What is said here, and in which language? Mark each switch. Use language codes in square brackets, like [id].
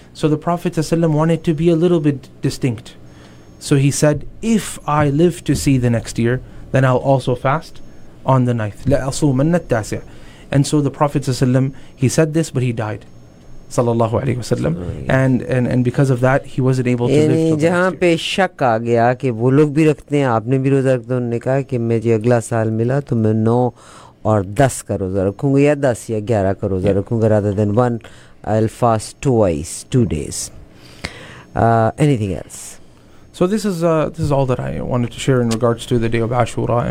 [en] So the Prophet sallallahu alaihi wasallam wanted to be a little bit distinct. So he said, if I live to see the next year, then I'll also fast on the ninth. [ar] لَأَصُومَنَّ التَّاسِعَ. [en] And so the Prophet ﷺ, he said this, but he died. Sallallahu alayhi wa sallam. And because of that, he wasn't able to live. [ur] جہاں پہ شک آ گیا کہ وہ لوگ بھی رکھتے ہیں آپ نے بھی روزہ رکھتے ہیں انہوں نے کہا کہ میں جی اگلا سال ملا تو میں 9 اور 10 کا روزہ رکھوں گا یا 10 یا 11 کا روزہ رکھوں گا [en] rather than one, I'll fast twice, 2 days. Anything else? So this is all that I wanted to share in regards to the day of Ashura.